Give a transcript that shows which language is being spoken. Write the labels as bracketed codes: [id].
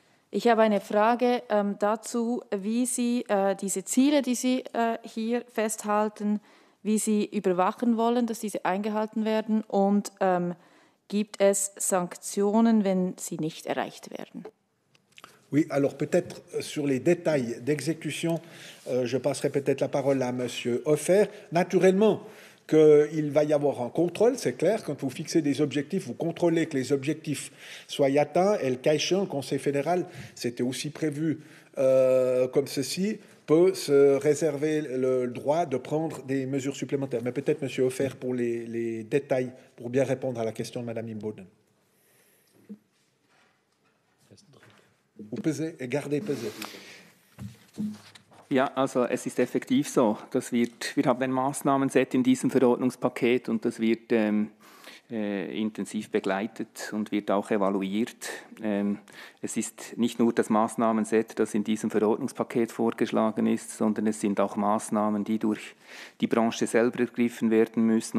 [de] Ich habe eine Frage dazu, wie Sie diese Ziele, die Sie hier festhalten, wie Sie überwachen wollen, dass diese eingehalten werden und gibt es Sanktionen, wenn sie nicht erreicht werden? [fr] Oui, alors peut-être sur les détails d'exécution, je passerai peut-être la parole à Monsieur Hoffer. Naturellement qu'il va y avoir un contrôle, c'est clair. Quand vous fixez des objectifs, vous contrôlez que les objectifs soient atteints. Et le cas échéant, le Conseil fédéral, c'était aussi prévu comme ceci, peut se réserver le droit de prendre des mesures supplémentaires. Mais peut-être, M. Hoffer, pour les détails, pour bien répondre à la question de Mme Imboden. Vous pesez et gardez pesé. [de] Ja, also es ist effektiv so, dass wir haben ein Maßnahmenset in diesem Verordnungspaket und das wird intensiv begleitet und wird auch evaluiert. Es ist nicht nur das Maßnahmenset, das in diesem Verordnungspaket vorgeschlagen ist, sondern es sind auch Maßnahmen, die durch die Branche selber ergriffen werden müssen.